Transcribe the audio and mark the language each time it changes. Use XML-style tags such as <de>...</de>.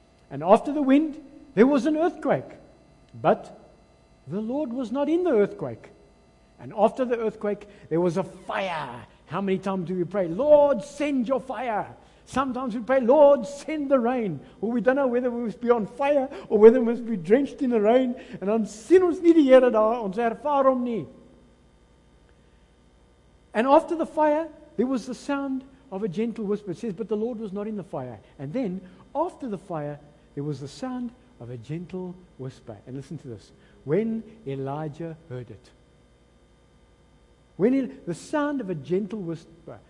<en>And after the wind, there was an earthquake. But the Lord was not in the earthquake. And after the earthquake, there was a fire. How many times do we pray, Lord, send your fire? Sometimes we pray, Lord, send the rain. Well, we don't know whether we must be on fire or whether we must be drenched in the rain.</en> <af>And ons sien ons nie die Here daar, ons ervaar hom nie.</af> <en>And after the fire, there was the sound of a gentle whisper. It says, but the Lord was not in the fire. And then, after the fire, there was the sound of a gentle whisper. And listen to this. When Elijah heard it. The sound of a gentle whisper.</en>